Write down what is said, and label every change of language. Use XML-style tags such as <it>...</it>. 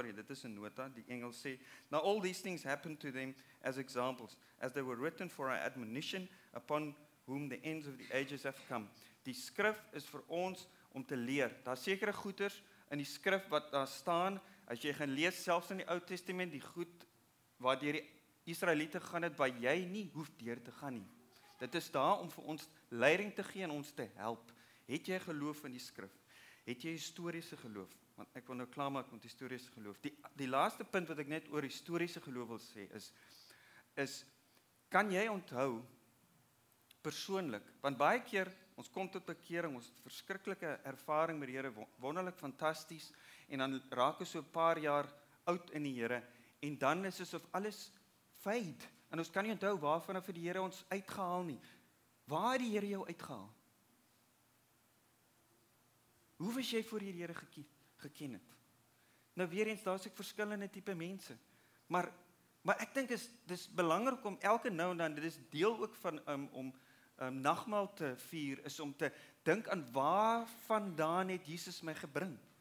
<af>Sorry, dit is een nota, die Engels sê,</af> <en>now all these things happened to them as examples, as they were written for our admonition, upon whom the ends of the ages have come.</en> <af>Die skrif is vir ons om te leer. Daar is sekere goeders in die skrif wat daar staan, as jy gaan lees, selfs in die Ou Testament, die goed wat deur die Israeliete gaan het, wat jy nie hoef deur te gaan nie. Dit is daar om vir ons leiding te gee en ons te help. Het jy geloof in die skrif? Het jy historiese geloof? Want ek wil nou klaarmaak met historiese geloof. Die laaste punt wat ek net oor historiese geloof wil sê is, kan jy onthou, persoonlik, want baie keer, ons kom tot bekering, ons verskriklike ervaring met die Here, wonderlik, fantasties, en dan raak ons so 'n paar jaar oud in die Here, en dan is asof alles fade, en ons kan nie onthou waarvan vir die Here ons uitgehaal nie. Waar het die Here jou uitgehaal? Hoe was jy voor die Here geken het? Nou weer eens, daar is ek verskillende type mense, maar ek dink dis belangrik om elke nou en dan, dit is deel ook van om nagmaal te vier, is om te dink aan waar vandaan het Jesus my gebring.</af>